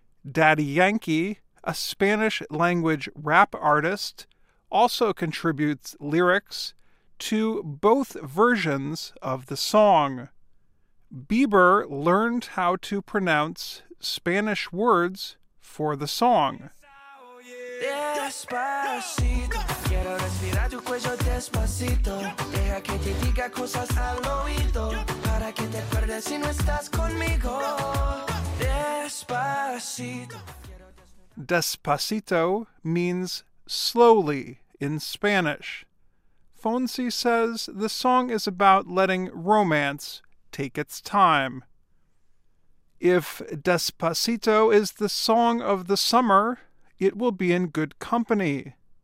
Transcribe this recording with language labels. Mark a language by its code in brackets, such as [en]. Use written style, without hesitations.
[en] Daddy Yankee, a Spanish language rap artist, also contributes lyrics to both versions of the song. Bieber learned how to pronounce Spanish words for the song. [es] Despacito, quiero respirar tu cuello despacito. Deja que te diga cosas al oído. Para que te acuerdes si no estás conmigo. Despacito. [en] Despacito means slowly in Spanish. Fonsi says the song is about letting romance take its time. If Despacito is the song of the summer, it will be in good company.